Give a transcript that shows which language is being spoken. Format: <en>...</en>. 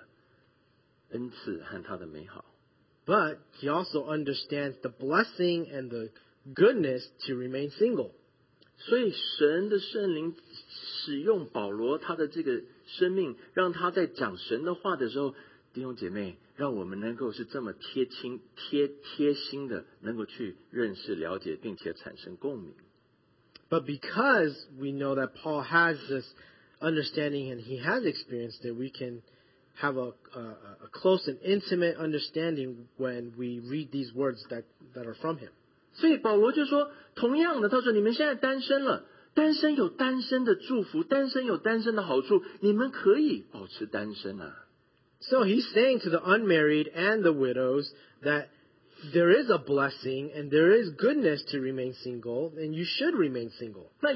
<zh>但是他同样也知道独身的恩赐和他的美好。</zh> <en>But he also understands the blessing and the goodness to remain single.</en> <zh>所以神的圣灵使用保罗他的这个生命，让他在讲神的话的时候，弟兄姐妹，让我们能够是这么贴心的，能够去认识、了解，并且产生共鸣。</zh> <en>But because we know that Paul has this understanding and he has experienced it, we can have a close and intimate understanding when we read these words that are from him.</en> <zh>所以保罗就说，同样的，他说你们现在单身了，单身有单身的祝福，单身有单身的好处，你们可以保持单身啊。So</zh> <en>he's saying to the unmarried and the widows that there is a blessing and there is goodness to remain single, and you should remain single.</en>